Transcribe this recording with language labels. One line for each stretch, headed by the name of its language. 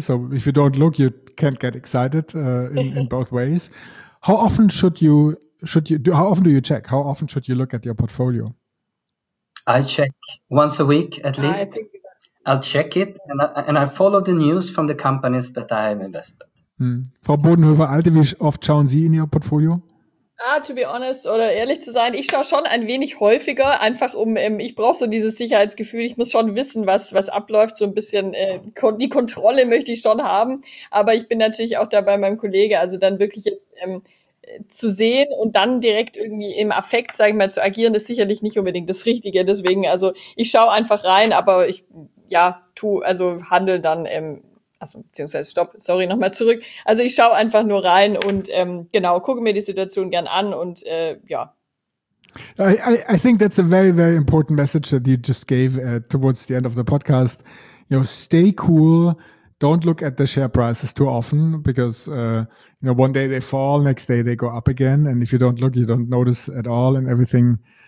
English: So if you don't look, you can't get excited in both ways. How often should you check? How often should you look at your portfolio? I check once a week at least. I'll check it and I follow the news from the companies that I have invested.
German: Frau Bodenhöfer-Alte, wie oft schauen Sie in Ihr Portfolio? Ah,
English: to be honest
German: oder ehrlich zu sein, ich schaue schon ein wenig häufiger, einfach um, ich brauche so dieses Sicherheitsgefühl, ich muss schon wissen, was abläuft, so ein bisschen die Kontrolle möchte ich schon haben, aber ich bin natürlich auch dabei meinem Kollege, also dann wirklich jetzt zu sehen und dann direkt irgendwie im Affekt, sage ich mal, zu agieren, ist sicherlich nicht unbedingt das Richtige, deswegen, also ich schaue einfach rein, aber ich, ja, handle dann Also ich schaue einfach nur rein und genau, gucke mir die Situation gern an und ja.
English: I think that's a very, very important message that you just gave towards the end of the podcast. You know, stay cool, don't look at the share prices too often because, you know, one day they fall, next day they go up again and if you don't look, you don't notice at all and everything.